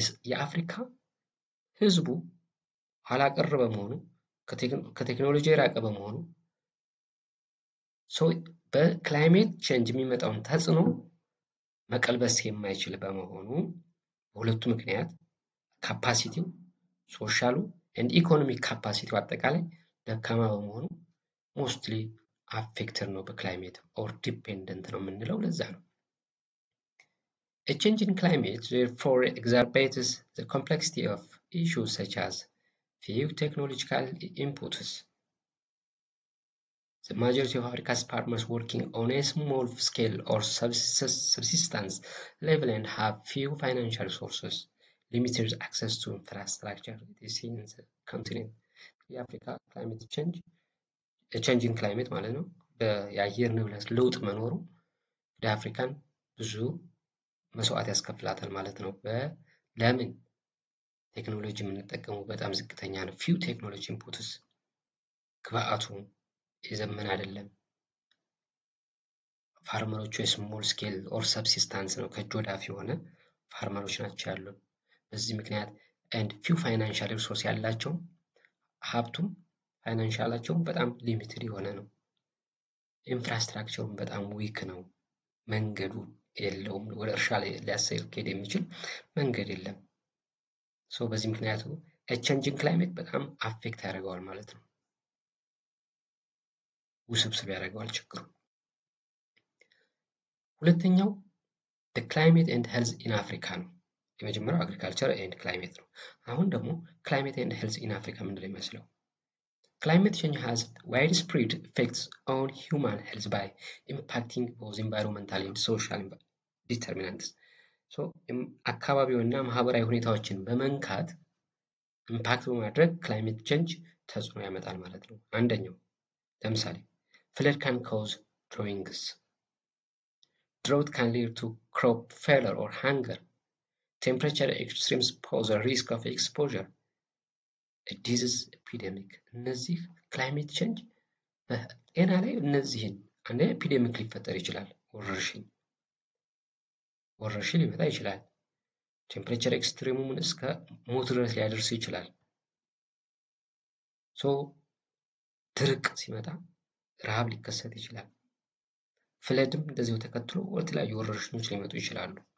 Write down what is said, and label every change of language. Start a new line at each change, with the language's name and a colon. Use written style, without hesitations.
Amharic: የአፍሪካ ሕዝቡ ኋላ ቀር በመሆኑ ከቴክኖሎጂ የራቀ በመሆኑ በክላይሜት ቼንጅ የሚመጣውን ተጽዕኖ መቀልበስ የማይችል በመሆኑ በሁለቱ ምክንያት ካፓሲቲው ሶሻሉ ኤንድ ኢኮኖሚክ ካፓሲቲው አጠቃላይ ደካማ በመሆኑ
English: ሞስትሊ አፌክትድ
Amharic: ነው በክላይሜት ኦር ዲፔንደንት ነው የምንለው ለዛ ነው።
English: A change in climate therefore exacerbates the complexity of issues such as few technological inputs. The majority of Africa's farmers working on a small scale or subsistence level and have few financial resources, limited access to infrastructure. This is in the continent. Africa climate change.
Amharic: ቼንጂንግ ክላይሜት ማለት ነው። የአየር ንብረት ለውጥ መኖሩ ወደ አፍሪካን ብዙ መስዋዕት ያስከፍላታል ማለት ነው። ለምን ቴክኖሎጂ የምንጠቀመው በጣም ዝቅተኛ ነው።
English: ፊው ቴክኖሎጂ ኢንፑትስ
Amharic: ግብአቱ የዘመን አይደለም። ፋርመሮቹ የስሞል ስኬል ኦር ሰብሲስታንስ ነው ከእጅ ወደ አፍ የሆነ ፋርመሮች ናቸው ያሉ። በዚህ ምክንያት
English: ኤንድ ፊው ፋይናንሻል ሪሶርስ
Amharic: ያላቸው ሀብቱም ፋይናንሻላቸውም በጣም ሊሚትድ የሆነ ነው። ኢንፍራስትራክቸሩም በጣም ዊክ ነው። መንገዱ የለውም። ወደ እርሻ ሊያስኬድ የሚችል መንገድ የለም። ሶ በዚህ ምክንያቱ ቼንጂንግ ክላይሜት በጣም አፌክት ያደርገዋል ማለት ነው። ውስብስብ ያደርገዋል ችግሩ። ሁለተኛው
English: ዘ ክላይሜት ኤንድ ሄልዝ ኢን አፍሪካ
Amharic: ነው። የመጀመሪያው
English: አግሪካልቸር ኤንድ ክላይሜት
Amharic: ነው። አሁን ደግሞ
English: ክላይሜት ኤንድ ሄልዝ ኢን አፍሪካ
Amharic: ምንድነው የሚመስለው?
English: Climate change has widespread effects on human health by impacting both environmental and social determinants.
Amharic: So, አካባቢውና ማህበራዊ ሁኔታዎችን በመንካት ኢምፓክት በማድረግ ክላይሜት ቼንጅ ተጽዕኖ ያመጣል ማለት ነው። አንደኛው ለምሳሌ
English: flood can cause droughts. Drought can lead to crop failure or hunger. Temperature extremes pose a risk of exposure.
Amharic: ዲዚዝ ኤፒደሚክ እነዚህ ክላይሜት ቼንጅ በጤና ላይ እነዚህን አንድ ኤፒደሚክ ሊፈጠር ይችላል። ወረርሽኝ ሊመጣ ይችላል። ቴምፕሬቸር ኤክስትሪሙን እስከ ሞት ድረስ ሊያደርስ ይችላል። ሶ ድርቅ ሲመጣ ረሃብ ሊከሰት ይችላል። ፍለድም እንደዚሁ ተከትሎ የተለያዩ ወረርሽኞች ሊመጡ ይችላሉ።